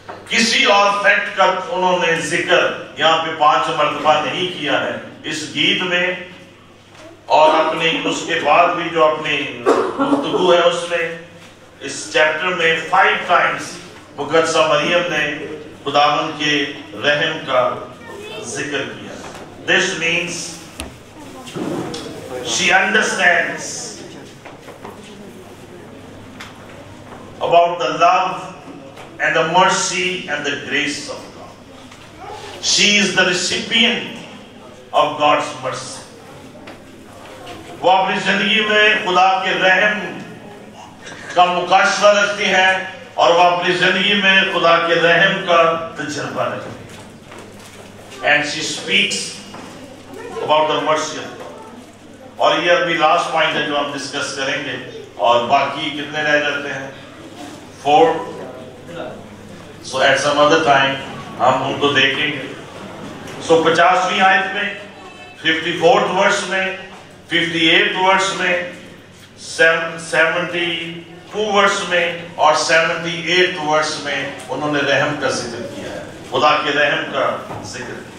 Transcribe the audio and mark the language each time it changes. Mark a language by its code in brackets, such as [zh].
[ur] کسی اور فیکٹ کا انہوں نے ذکر یہاں پہ 5 مرتبہ نہیں کیا ہے اس گیت میں, اور اپنی اس کے بعد بھی جو اپنی گفتگو ہے اس میں, اس چیپٹر میں 5 times مقدسہ مریم نے خداوند کے رحم کا ذکر کیا. [en] This means she understands about the love and the mercy and the grace of God. She is the recipient of God's mercy. [ur] وہ اپنی زندگی میں خدا کے رحم کا مکاشفہ رکھتی ہے اور وہ اپنی زندگی میں خدا کے رحم کا تجربہ رکھتی ہے. [en] And she speaks about the mercy of God. [ur] اور یہ ابھی لاسٹ پوائنٹ ہے جو ہم ڈسکس کریں گے. اور باقی کتنے رہ جاتے ہیں؟ 4. [en] So at some other time [ur] ہم ان کو دیکھیں گے. So 50th آیت میں, 54th ورس میں, 58th ورس میں, 72 ورس میں اور 78th ورس میں انہوں نے رحم کا ذکر کیا ہے, خدا کے رحم کا ذکر کیا.